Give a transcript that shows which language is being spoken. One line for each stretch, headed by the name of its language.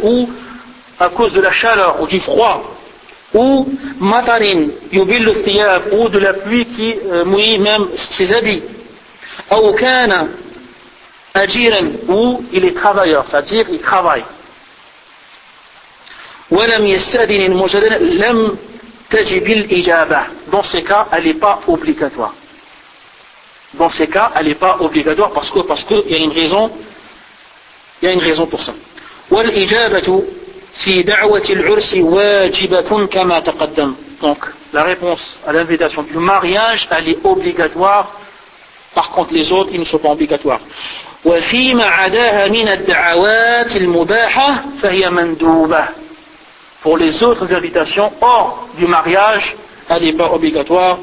French: ou à cause de la chaleur ou du froid.
Arabic: أو مطر يبل الثياب
French: ou de la pluie qui mouille même ses habits.
Arabic: أو كان أجيرا
French: ou il est travailleur, c'est-à-dire il travaille.
Arabic: ولم يستأذن المجرم لم تجب الإجابة.
French: Dans ces cas, elle n'est pas obligatoire. Dans ces cas, elle n'est pas obligatoire parce que il y a une raison pour ça.
Arabic: والإجابة في دعوة العرس واجبة كما تقدم.
French: Donc, la réponse à l'invitation du mariage, elle est obligatoire. Par contre, les autres, ils ne sont pas obligatoires.
Arabic: وفي ما عداها من الدعوات المباحة فهي مندوبة.
French: Pour les autres invitations hors du mariage, elle n'est pas obligatoire.